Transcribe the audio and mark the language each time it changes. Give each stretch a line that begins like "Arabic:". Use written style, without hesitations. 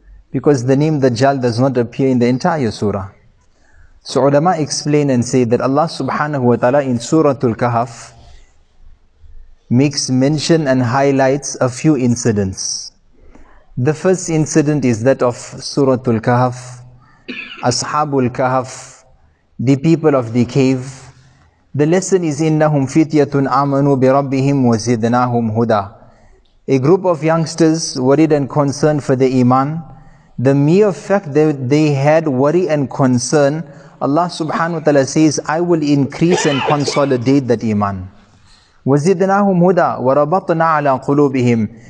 English: Because the name Dajjal does not appear in the entire surah. So ulama explain and say that Allah subhanahu wa ta'ala in Surah Al-Kahf makes mention and highlights a few incidents. The first incident is that of Surah Al-Kahf, Ashab Al-Kahf, the people of the cave. The lesson is,
Arabic: إِنَّهُمْ فِتْيَةٌ آمَنُوا بِرَبِّهِمْ وَزِدْنَاهُمْ هُدَىٰ.
English: A group of youngsters worried and concerned for the iman. The mere fact that they had worry and concern, Allah subhanahu wa ta'ala says, I will increase and consolidate that iman.
Arabic: وَزِدْنَاهُمْ هُدَىٰ وَرَبَطْنَا عَلَىٰ قُلُوبِهِمْ.